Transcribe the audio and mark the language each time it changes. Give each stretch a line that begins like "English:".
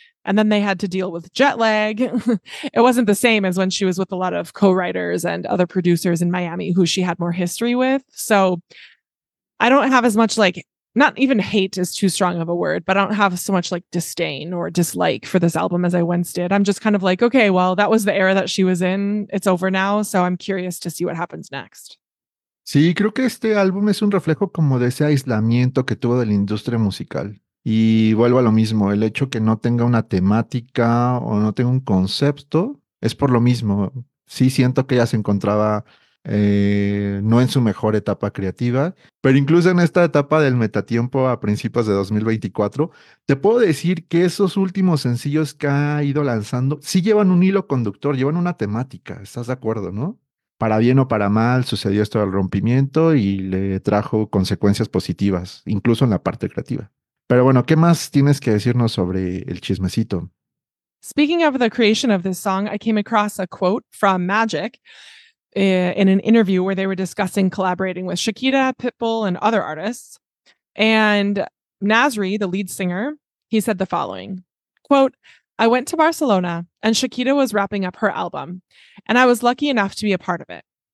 English: And then they had to deal with jet lag. It wasn't the same as when she was with a lot of co-writers and other producers in Miami who she had more history with. So I don't have as much like, not even hate is too strong of a word, but I don't have so much like disdain or dislike for this album as I once did. I'm just kind of like, okay, well, that was the era that she was in. It's over now. So I'm curious to see what happens next.
Spanish: Sí, creo que este álbum es un reflejo como de ese aislamiento que tuvo de la industria musical. Y vuelvo a lo mismo, el hecho que no tenga una temática o no tenga un concepto es por lo mismo. Sí, siento que ella se encontraba... no en su mejor etapa creativa, pero incluso en esta etapa del metatiempo a principios de 2024, te puedo decir que esos últimos sencillos que ha ido lanzando sí llevan un hilo conductor, llevan una temática, ¿estás de acuerdo, no? Para bien o para mal sucedió esto del rompimiento y le trajo consecuencias positivas, incluso en la parte creativa. Pero bueno, ¿qué más tienes que decirnos sobre el chismecito?
English: Speaking of the creation of this song, I came across a quote from Magic, in an interview where they were discussing collaborating with Shakira, Pitbull, and other artists. And Nasri, the lead singer, he said the following, quote, "I went to Barcelona and Shakira was wrapping up her album and I was lucky enough to be a part of it.